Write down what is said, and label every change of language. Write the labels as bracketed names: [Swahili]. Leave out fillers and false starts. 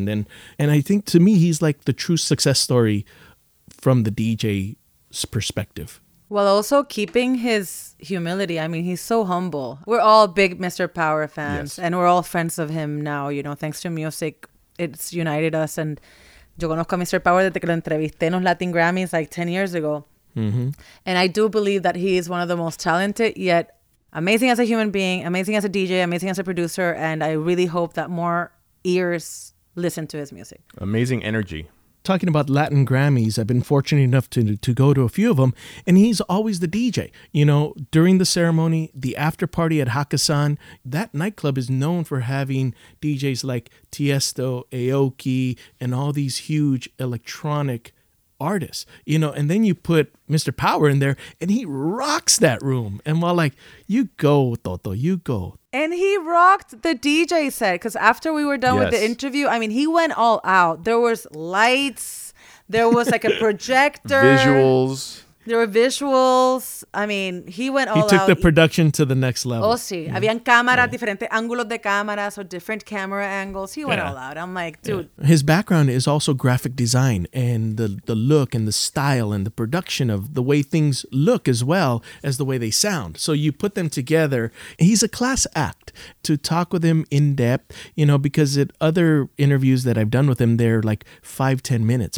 [English] And I think to me, he's like the true success story from the DJ's perspective. Well, also keeping his humility. I mean, he's so humble. We're all big Mr. Power fans. Yes. And we're all friends of him now, you know, thanks to music. It's united us. And [Spanish] yo conozco a [English] Mr. [Spanish] Power desde que lo entrevisté en los Latin Grammys [English] like 10 years ago. Mm-hmm. And I do believe that he is one of the most talented, yet amazing as a human being, amazing as a DJ, amazing as a producer. And I really hope that more ears listen to his music. Amazing energy. Talking about Latin Grammys, I've been fortunate enough to go to a few of them, and he's always the DJ. You know, during the ceremony, the after party at Hakkasan, that nightclub is known for having DJs like Tiesto, Aoki, and all these huge electronic artists, you know, and then you put Mr. Power in there and he rocks that room. And while like, you go, Toto, you go. And he rocked the DJ set because after we were done, yes, with the interview, I mean, he went all out. There was lights. There was like a projector. Visuals. There were visuals. I mean, he went all out. He took out the production to the next level. Oh, sí. Yeah. [Spanish] Habían cámaras, yeah, diferentes ángulos de cámaras, [English] so different camera angles. He went, yeah, all out. I'm like, dude. Yeah. His background is also graphic design and the look and the style and the production of the way things look as well as the way they sound. So you put them together. He's a class act. To talk with him in depth, you know, because at other interviews that I've done with him, they're like 5-10 minutes.